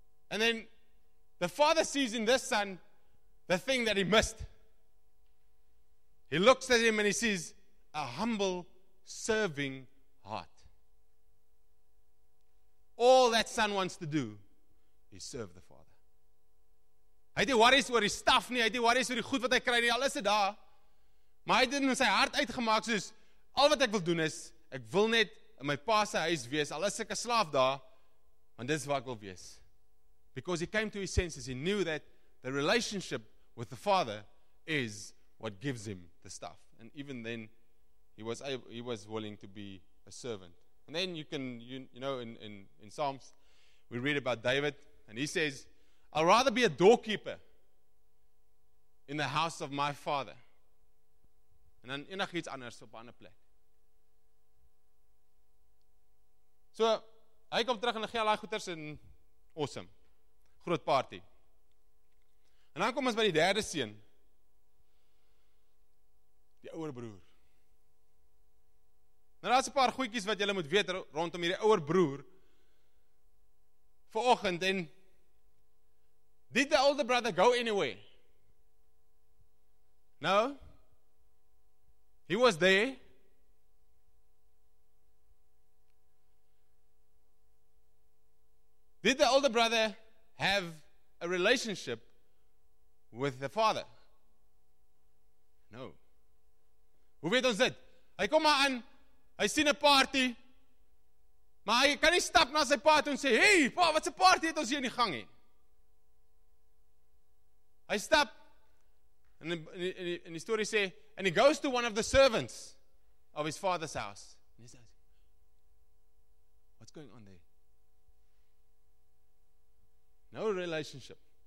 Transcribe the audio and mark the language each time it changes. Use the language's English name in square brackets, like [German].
[English] And then the father sees in this son the thing that he missed. He looks at him and he sees a humble, serving heart. All that son wants to do is serve the father. [Afrikaans] Hy het nie worries oor die staf nie, hy het nie worries oor die goed wat hy kry nie, al is dit daar. Maar hy het in sy hart uitgemaak soos, al wat ek wil doen is, ek wil net in my pa se huis wees, al is ek 'n slaaf daar, want dis waar ek wil wees. [English] Because he came to his senses, he knew that the relationship with the father is what gives him the stuff. And even then, he was willing to be a servant. And then you know, in Psalms, we read about David, and he says, I'll rather be a doorkeeper in the house of my father than [Afrikaans] enig iets anders op 'n ander plek. So, hy kom terug en hy gee al daai goeders en awesome. Groot party. En dan kom ons by die derde seun. Die ouer broer. Nou daar's 'n paar goedjies wat julle moet weet rondom hierdie ouer broer. Vanoggend en [English] did the older brother go anywhere? No. He was there. Did the older brother have a relationship with the father? [Afrikaans] No. Hoe weet ons dit? Hy kom maar aan, hy sien 'n party, maar hy kan nie stap na sy pa toe en sê, hey, pa, wat 'n party het ons hier in die gang hê? Hy stap, en die story sê, [English] and he goes to one of the servants of his father's house. And he says, what's going on there? No relationship.